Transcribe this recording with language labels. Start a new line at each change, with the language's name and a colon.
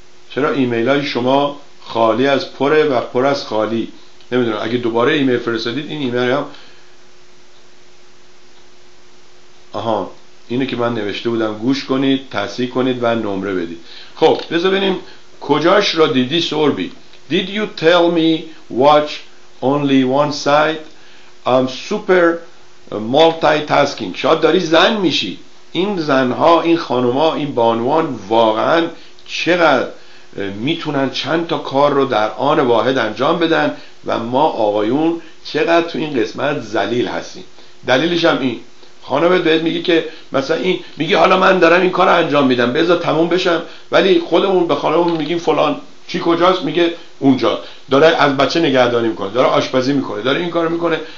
Persian: چرا ایمیل های شما خالی از پره و پر از خالی؟ نمیدونم، اگه دوباره ایمیل فرستادید این ایمیل هم، آها، اینو که من نوشته بودم گوش کنید، تصحیح کنید و نمره بدید. خب بذار ببینیم کجاش را دیدی سوربی.
English: Did you tell me watch only one side? I'm super multitasking.
Persian: شاید داری زن میشی. این زنها، این خانوما، این بانوان واقعا چقدر میتونن چند تا کار رو در آن واحد انجام بدن، و ما آقایون چقدر تو این قسمت ذلیل هستیم. دلیلش هم این خانم بهت میگه که مثلا این میگه حالا من دارم این کارو انجام میدم بذار تموم بشم، ولی خودمون به خانممون میگیم فلان چی کجاست، میگه اونجا داره از بچه نگهداری میکنه، داره آشپزی میکنه، داره این کارو میکنه.